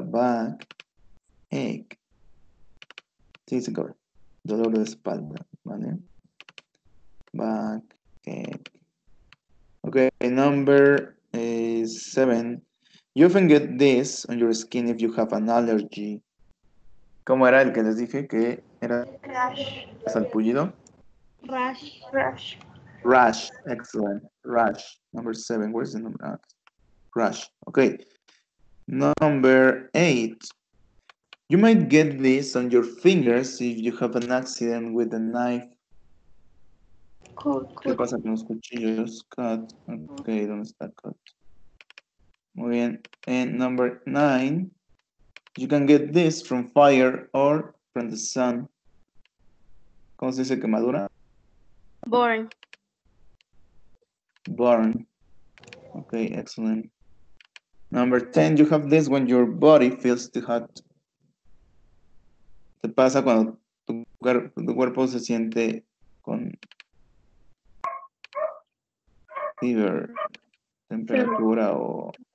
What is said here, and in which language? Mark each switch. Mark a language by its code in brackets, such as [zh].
[es] Backache. Sí, se cabe. Dolor de espalda. ¿Vale? Backache. [en] Okay, number seven. You often get this on your skin if you have an allergy. [es] ¿Cómo era el que les dije que era? [en] Rash. [es] ¿Salpullido? [en] Rash. Rash. Rash. Excellent. Rash. Number seven. Where's the number? Rash. Okay. Number eight. You might get this on your fingers if you have an accident with a knife. Cut. [es] ¿Qué pasa con los cuchillos? Cut. Okay. ¿Dónde está cut? Muy bien. [en] And number nine, you can get this from fire or from the sun. [es] ¿Cómo se dice quemadura? [en] Burn. Burn. Okay, excellent. Number 10, you have this when your body feels too hot. [es] ¿Te pasa cuando tu cuerpo se siente con fever, temperatura o...